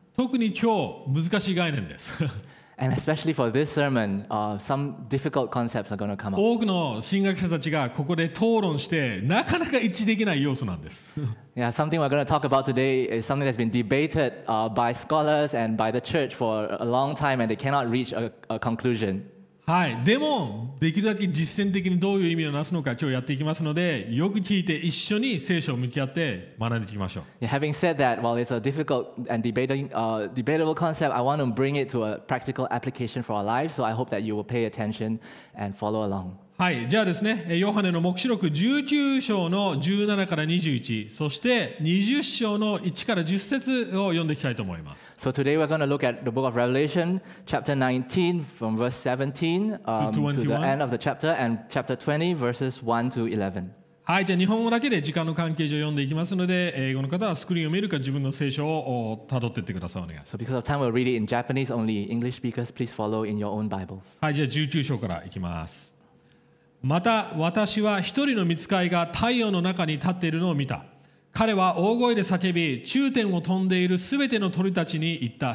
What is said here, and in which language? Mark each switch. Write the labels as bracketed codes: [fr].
[ja] 特に今日難しい概念です。 [en] And especially for this sermon, some difficult concepts are going to come up. [ja] 多くの神学者たちがここで討論してなかなか一致できない要素なんです。 [en] Yeah, something we're going to talk about today is something that's been debated by scholars and by the church for a long time, and they cannot reach a conclusion. [ja] はい、でもできるだけ実践的にどういう意味をなすのか今日やっていきますので、よく聞いて一緒に聖書を向き合って学んでいきましょう。 [en] Yeah, having said that, while it's a difficult and debatable concept, I want to bring it to a practical application for our lives, so I hope that you will pay attention and follow along. [ja] はい、じゃあですね、ヨハネの黙示録19章の17から21、そして20章の1から10節を読んでいきたいと思います。 [en] So today we're going to look at the book of Revelation, chapter 19, from verse 17 to the end of the chapter, and chapter 20, verses 1 to 11. [ja] はい、じゃあ日本語だけで時間の関係上読んでいきますので、英語の方はスクリーンを見るか自分の聖書をたどっていってください。お願いします。 [en] So because of time, we'll read it in Japanese only. English speakers, please follow in your own Bibles. [ja] はい、じゃあ19章からいきます。また私は一人の御使いが太陽の中に立っているのを見た。彼は大声で叫び、中天を飛んでいるすべての鳥たちに言った。